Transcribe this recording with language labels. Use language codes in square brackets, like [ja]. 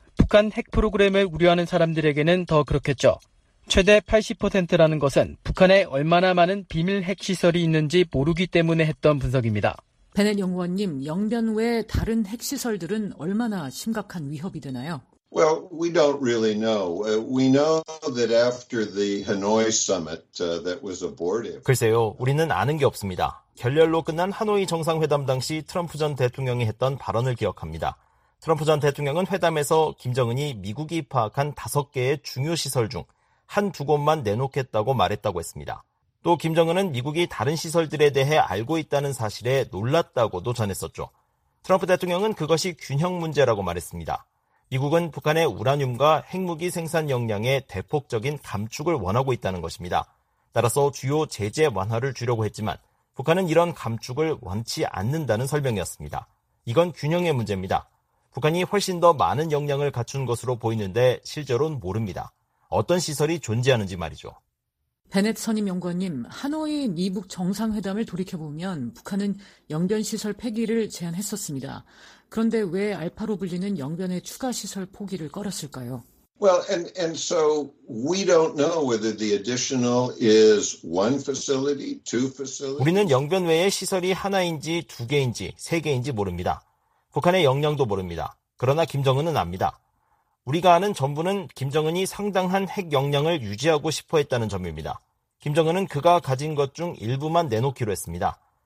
[ko] 북한 핵 프로그램을 우려하는 사람들에게는 더 그렇겠죠. 최대 80%라는 것은 북한에 얼마나 많은 비밀 핵시설이 있는지 모르기 때문에 했던 분석입니다. 베넷 연구원님, 영변 외 다른 핵시설들은 얼마나 심각한 위협이 되나요? [en] Well, we don't really know. We know that after the Hanoi summit that was abortive. [ko] 글쎄요, 우리는 아는 게 없습니다. 결렬로 끝난 하노이 정상회담 당시 트럼프 전 대통령이 했던 발언을 기억합니다. 트럼프 전 대통령은 회담에서 김정은이 미국이 파악한 다섯 개의 중요 시설 중 한두 곳만 내놓겠다고 말했다고 했습니다. 또 김정은은 미국이 다른 시설들에 대해 알고 있다는 사실에 놀랐다고도 전했었죠. 트럼프 대통령은 그것이 균형 문제라고 말했습니다. 미국은 북한의 우라늄과 핵무기 생산 역량의 대폭적인 감축을 원하고 있다는 것입니다. 따라서 주요 제재 완화를 주려고 했지만 북한은 이런 감축을 원치 않는다는 설명이었습니다. 이건 균형의 문제입니다. 북한이 훨씬 더 많은 역량을 갖춘 것으로 보이는데 실제로는 모릅니다. 어떤 시설이 존재하는지 말이죠. 베넷 선임연구원님, 하노이 미북 정상회담을 돌이켜보면 북한은 영변시설 폐기를 제안했었습니다. 그런데 왜 알파로 불리는 영변의 추가 시설 포기를 꺼렸을까요? [en] Well, and so we don't know whether the additional is one facility, two facilities. [ko] 우리는 영변 외에 시설이 하나인지 두 개인지 세 개인지 모릅니다. 북한의 역량도 모릅니다. 그러나 김정은은 압니다. 우리가 아는 전부는 김정은이 상당한 핵 역량을 유지하고 싶어 했다는 점입니다. 김정은은 그가 가진 것 중 일부만 내놓기로 했습니다.